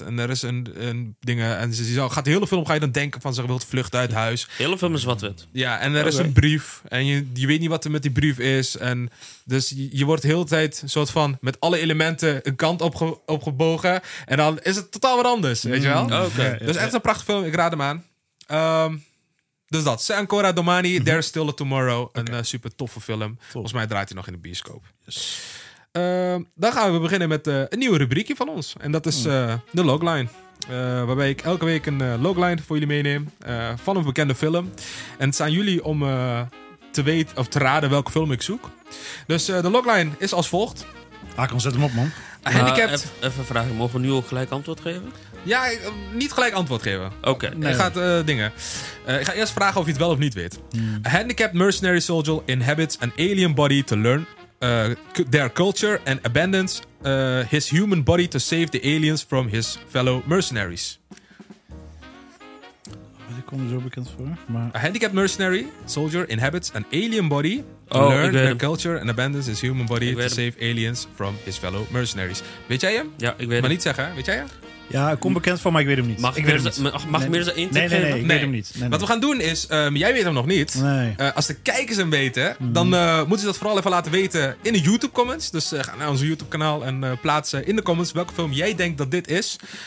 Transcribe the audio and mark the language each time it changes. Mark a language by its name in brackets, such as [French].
[Dutch] En er is een dingen. En ze gaat de hele film, ga je dan denken van, ze wilt vluchten uit huis. De hele film is zwart-wit. Ja, en er is een brief. En je weet niet wat er met die brief is. En dus je wordt de hele tijd een soort van met alle elementen een kant opgebogen. En dan is het totaal wat anders. Weet je wel? Okay. Ja, dus echt een prachtige film. Ik raad hem aan. Dus dat, Sankora Domani, There's Still a Tomorrow. Okay. Een super toffe film. Top. Volgens mij draait hij nog in de bioscoop. Yes. Dan gaan we beginnen met een nieuwe rubriekje van ons. En dat is de logline. Waarbij ik elke week een logline voor jullie meeneem. Van een bekende film. En het zijn jullie om te weten of te raden welke film ik zoek. Dus de logline is als volgt. Hakan, zet hem op, man. [English] Handicapped. [Dutch] Even vragen, mogen we nu al gelijk antwoord geven? Ja, niet gelijk antwoord geven. Oké. Okay, nee. Ik ga dingen. Ik ga eerst vragen of je het wel of niet weet. [English] A handicapped mercenary soldier inhabits an alien body to learn their culture and abandons his human body to save the aliens from his fellow mercenaries. [Dutch] Ik kom er zo bekend voor. Maar... [English] A handicapped mercenary soldier inhabits an alien body to learn their culture and abandons his human body to save aliens from his fellow mercenaries. [Dutch] Weet jij hem? Ja, ik weet hem. Maar niet zeggen, weet jij hem? Ja, ik kom bekend voor, maar ik weet hem niet. Mag ik meer zijn intip geven? Nee, ik weet hem niet. Wat we gaan doen is, jij weet hem nog niet. Nee. Als de kijkers hem weten, dan moeten ze dat vooral even laten weten in de YouTube comments. Dus ga naar onze YouTube kanaal en plaatsen in de comments welke film jij denkt dat dit is.